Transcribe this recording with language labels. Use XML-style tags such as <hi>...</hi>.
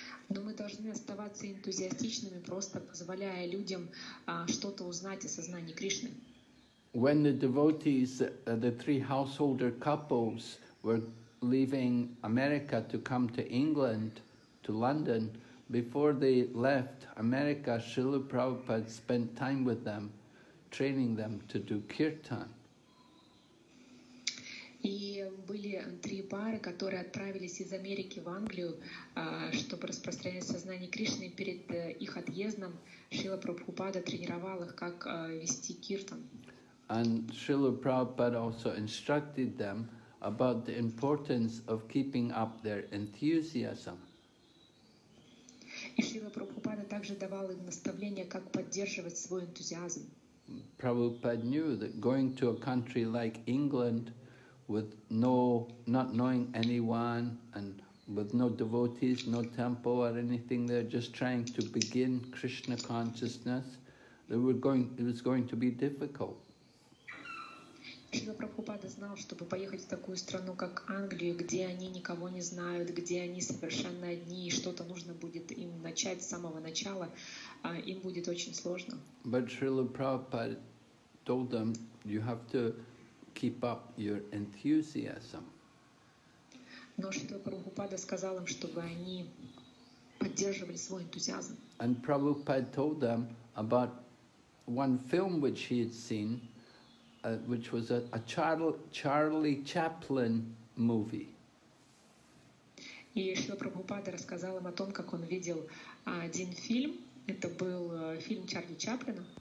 <ru>Но мы должны оставаться энтузиастичными, просто позволяя людям что-то узнать о сознании Кришны.</ru> <en>When the devotees, the three householder couples, were leaving America to come to England, to London, before they left America, Srila Prabhupada spent time with them, training them to do kirtan.</en> <ru>И были три пары, которые отправились из Америки в Англию, чтобы распространять сознание Кришны. Перед их отъездом Шрила Прабхупада тренировал их, как вести киртан.</ru> <en>And Srila Prabhupada also instructed them about the importance of keeping up their enthusiasm.</en> <ru>И Шрила Прабхупада также давал им наставления, как поддерживать свой энтузиазм.</ru> <en>Prabhupada knew that going to a country like England with not knowing anyone and with no devotees, no temple or anything, they're just trying to begin Krishna consciousness, it was going to be difficult.</en> <ru>Шрила Прабхупада знал, чтобы поехать в такую страну, как Англию, где они никого не знают, где они совершенно одни, и что-то нужно будет им начать с самого начала, им будет очень сложно.</ru> <en>But Srila Prabhupada told them, you have to keep up your enthusiasm.</en> <ru>Но Шрила Прабхупада сказал им, чтобы они поддерживали свой энтузиазм.</ru> <en>And Prabhupada told them about one film which he had seen, which was a Charlie Chaplin movie.</en> <ru>И Шрила Прабхупада рассказал им о том, как он видел один фильм. Это был фильм Чарли Чаплина.</ru>